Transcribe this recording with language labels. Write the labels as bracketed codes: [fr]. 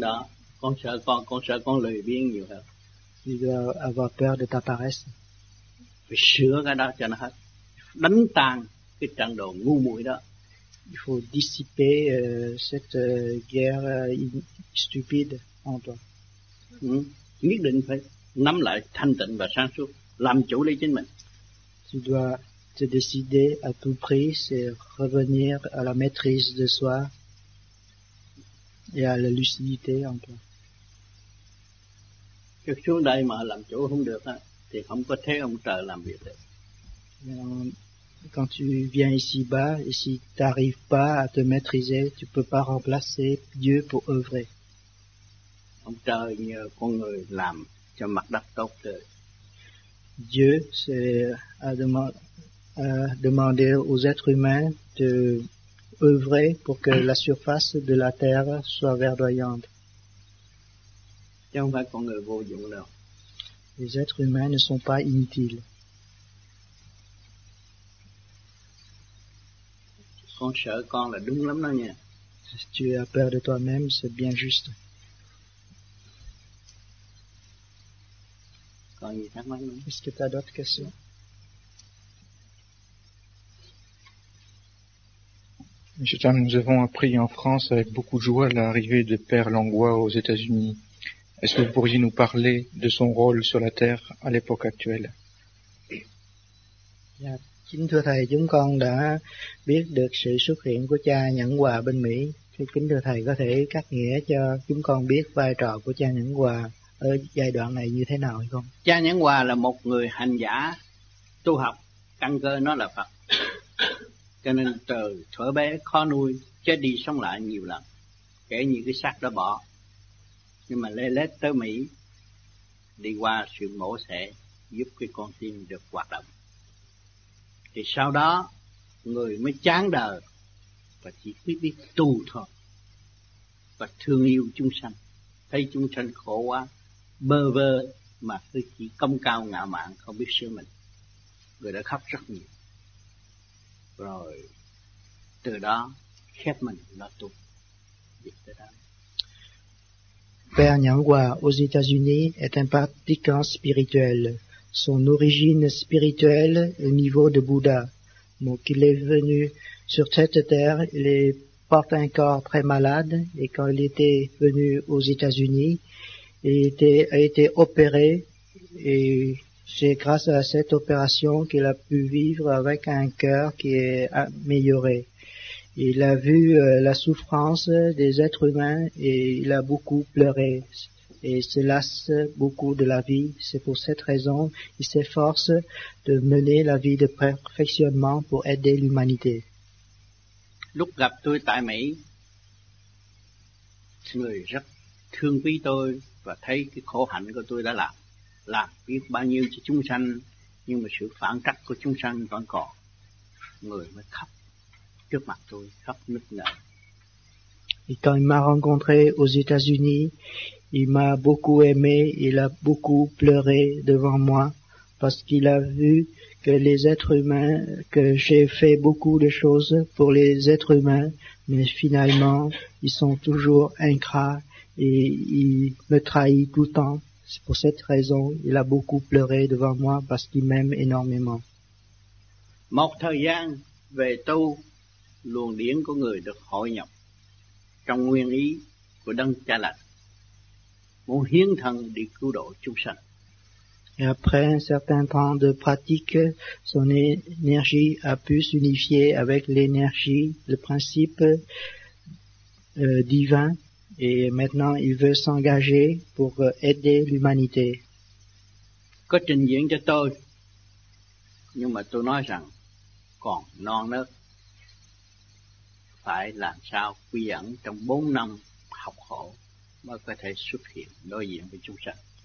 [vi] Đó, con sợ con lười biếng nhiều hơn. [fr] Tu dois avoir peur de ta paresse. [vi] Phải sửa cái đó cho nó hết. Đánh tan cái trận đồ ngu muội đó. [fr] Il faut dissiper cette guerre stupide en toi. [vi] Nhất định phải nắm lại thanh tịnh và sáng suốt, làm chủ lấy chính mình. [fr] Tu dois te décider à tout prix, c'est revenir à la maîtrise de soi et à la lucidité en toi. [vi] Si xuống đây mà làm chủ không được, thì không có thấy ông trời làm việc được. [fr] Quand tu viens ici-bas, et si tu n'arrives pas à te maîtriser, tu ne peux pas remplacer Dieu pour œuvrer. [vi] Ông trời nhờ con người làm cho mặt đất tốt rồi. [fr] Dieu a demandé aux êtres humains de œuvrer pour que la surface de la terre soit verdoyante. [vi] Chẳng phải con người vô dụng đâu. [fr] Les êtres humains ne sont pas inutiles. [vi] Con sợ con là đúng lắm đó nha. [fr] Si tu as peur de toi-même, c'est bien juste. [vi] Còn gì thắc mắc nữa? [fr] Est-ce que tu as d'autres questions? Monsieur Tam, nous avons appris en France avec beaucoup de joie l'arrivée de Père Langlois aux États-Unis. Est-ce que vous pourriez nous parler de son rôle sur la Terre à l'époque actuelle? Yeah. [vi] Kính thưa Thầy, chúng con đã biết được sự xuất hiện của cha Nhẫn Hòa bên Mỹ. Kính thưa Thầy, có thể cắt nghĩa cho chúng con biết vai trò của cha Nhẫn Hòa ở giai đoạn này như thế nào hay không? Cha Nhẫn Hòa là một người hành giả tu học, căn cơ nó là Phật. Cho nên từ thuở bé khó nuôi, chết đi sống lại nhiều lần, kể như cái xác đã bỏ. Nhưng mà lê lết tới Mỹ, đi qua sự mổ xẻ, giúp cái con tim được hoạt động. Thì sau đó người mới chán đời và chỉ biết tu thôi và thương yêu chúng sanh, thấy chúng sanh khổ quá bơ vơ mà cứ chỉ công cao ngạo mạn không biết sửa mình, người đã khóc rất nhiều, rồi từ đó khép mình lo tu. [fr] Père Nhẫn Hòa aux États-Unis est un pratiquant spirituel. Son origine spirituelle est au niveau de Bouddha. Donc, il est venu sur cette terre, il porte un corps très malade, et quand il était venu aux États-Unis, il a été opéré, et c'est grâce à cette opération qu'il a pu vivre avec un cœur qui est amélioré. Il a vu la souffrance des êtres humains, et il a beaucoup pleuré. et se lasse beaucoup de la vie. C'est pour cette raison qu'il s'efforce de mener la vie de perfectionnement pour aider l'humanité. [vi] Lúc gặp tôi tại Mỹ, người rất thương quý tôi và thấy cái khổ hạnh của tôi đã làm biết bao nhiêu cho chúng sanh, nhưng mà sự phản trắc của chúng sanh vẫn còn. Người mới khóc trước mặt tôi, khóc nức nở. [fr] Et quand il m'a rencontré aux États-Unis, il m'a beaucoup aimé, il a beaucoup pleuré devant moi, parce qu'il a vu que les êtres humains, que j'ai fait beaucoup de choses pour les êtres humains, mais finalement, ils sont toujours ingrats et ils me trahissent tout le temps. C'est pour cette raison, il a beaucoup pleuré devant moi, parce qu'il m'aime énormément. [vi] Một thời gian về tu, luồng điển của người được hội nhập trong nguyên ý của Đấng Cha Lành, muốn hiến thân đi cứu độ chúng sanh. [fr] Et après un certain temps de pratique, son énergie a pu s'unifier avec l'énergie, le principe divin, et maintenant il veut s'engager pour aider l'humanité. [vi] Có trình diễn cho tôi, nhưng mà tôi nói rằng còn non nớt, phải làm sao quy ẩn trong 4 năm học khổ mới có thể xuất hiện đối diện với chúng sanh.